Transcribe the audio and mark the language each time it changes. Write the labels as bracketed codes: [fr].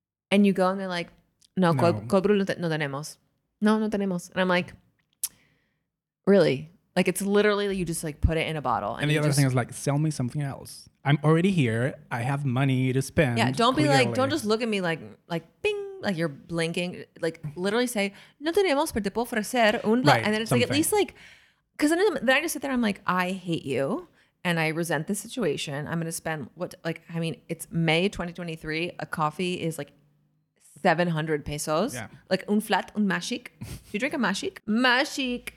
[en] And you go and they're like, no, cold brew [es] no tenemos. No, no tenemos. [en] And I'm like, really? Like, it's literally, you just like put it in a bottle. And the other thing is like, sell me something else. I'm already here. I have money to spend. Yeah, don't clearly. Be like, don't just look at me like bing, like you're blinking. Like literally say, [es] no tenemos, pero te puedo ofrecer un... [en] Right, and then it's something. Like, at least like, because then I just sit there, I'm like, I hate you and I resent this situation. I'm going to spend what, like, I mean, it's May 2023. A coffee is like 700 pesos. Yeah. Like un flat, un mashik. Do you drink a mashik? Mashik.